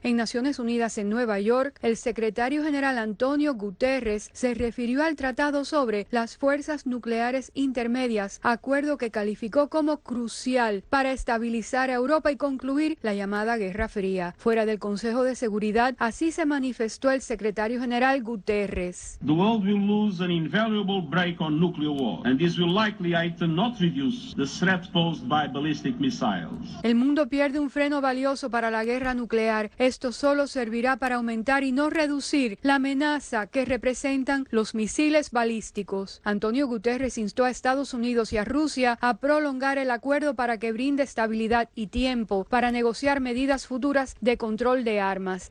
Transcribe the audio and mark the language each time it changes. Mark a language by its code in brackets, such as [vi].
[es] En Naciones Unidas en Nueva York, el secretario general Antonio Guterres se refirió al tratado sobre las fuerzas nucleares intermedias, acuerdo que calificó como crucial para estabilizar a Europa y concluir la llamada Guerra Fría. Fuera del Consejo de Seguridad, así se manifestó el secretario general Guterres. [en] The world will lose an invaluable break on nuclear war, and this will likely not reduce the threat posed by ballistic missiles. [es] El mundo pierde un freno valioso para la guerra nuclear. Esto solo servirá para aumentar y no reducir la amenaza que representan los misiles balísticos. Antonio Guterres instó a Estados Unidos y a Rusia a prolongar el acuerdo para que brinde estabilidad y tiempo para negociar medidas futuras de control de armas.